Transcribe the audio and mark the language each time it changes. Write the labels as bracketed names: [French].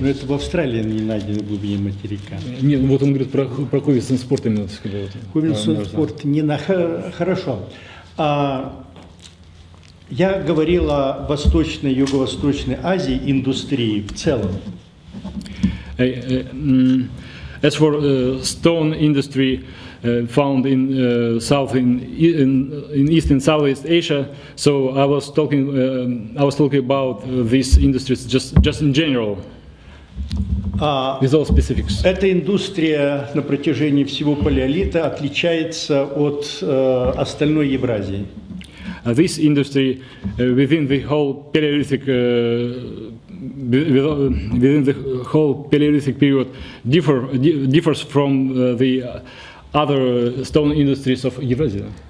[Russian] Но это в Австралии не найдено в глубине материка. Нет, вот он говорит про Ховисенспорт именно. Ховисенспорт не на... Хорошо. Я говорил о Восточной и Юго-Восточной Азии индустрии в целом. [English] As for stone industry found in south in east and southeast Asia, so I was talking about these industries just in general. With all specifics. [Russian] Эта индустрия на протяжении всего палеолита отличается от остальной Евразии. [English] This industry within the whole Palaeolithic within the whole Palaeolithic period differs from the other stone industries of Eurasia.